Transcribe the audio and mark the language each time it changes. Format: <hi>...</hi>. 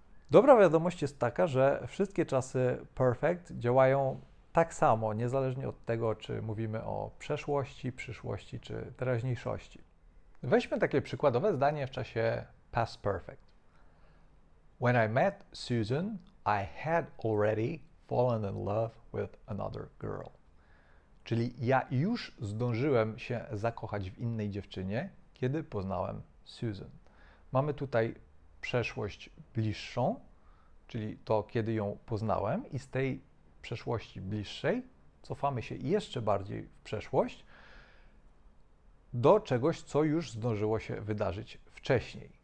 <pl>Dobra wiadomość jest taka, że wszystkie czasy perfect działają tak samo, niezależnie od tego, czy mówimy o przeszłości, przyszłości czy teraźniejszości. Weźmy takie przykładowe zdanie w czasie past perfect.</pl> <en>When I met Susan, I had already fallen in love with another girl.</en> <pl>Czyli ja już zdążyłem się zakochać w innej dziewczynie, kiedy poznałem Susan. Mamy tutaj przeszłość bliższą, czyli to, kiedy ją poznałem, i z tej przeszłości bliższej cofamy się jeszcze bardziej w przeszłość do czegoś, co już zdążyło się wydarzyć wcześniej.</pl>